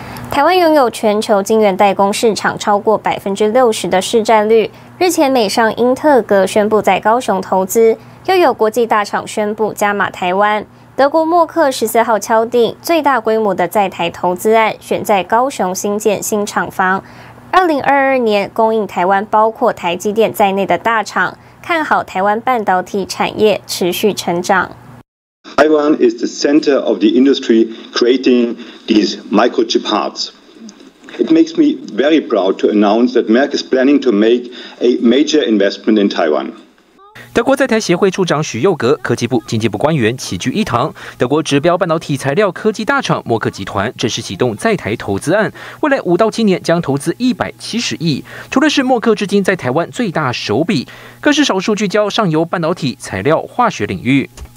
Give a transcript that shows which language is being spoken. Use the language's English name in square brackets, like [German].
[Chinese] 台湾拥有全球晶圆代工市场超过 60% 的市占率，日前美商英特格宣布在高雄投资，又有国际大厂宣布加码台湾。德国默克14号敲定最大规模的在台投资案，选在高雄新建新厂房。 2022年供应台湾包括台积电在内的大厂，看好台湾半导体产业持续成长。 [English] Taiwan is the center of the industry creating these microchip hubs. It makes me very proud to announce that Merck is planning to make a major investment in Taiwan. [Chinese] 德国在台协会处长许佑格、科技部、经济部官员齐聚一堂。德国指标半导体材料科技大厂默克集团正式启动在台投资案，未来5到7年将投资170亿。除了是默克至今在台湾最大手笔，更是少数聚焦上游半导体材料化学领域。